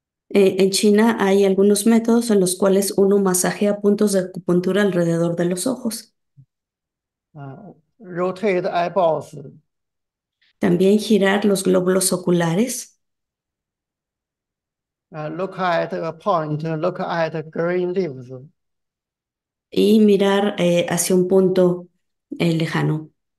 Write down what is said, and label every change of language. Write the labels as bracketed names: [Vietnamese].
[Spanish] En China hay algunos métodos en los cuales uno masajea puntos de acupuntura alrededor de los ojos. [English] Rotate eyeballs. [Spanish] También girar los glóbulos oculares. [English] Look at a point, look at green leaves. [Spanish] Y mirar hacia un punto lejano.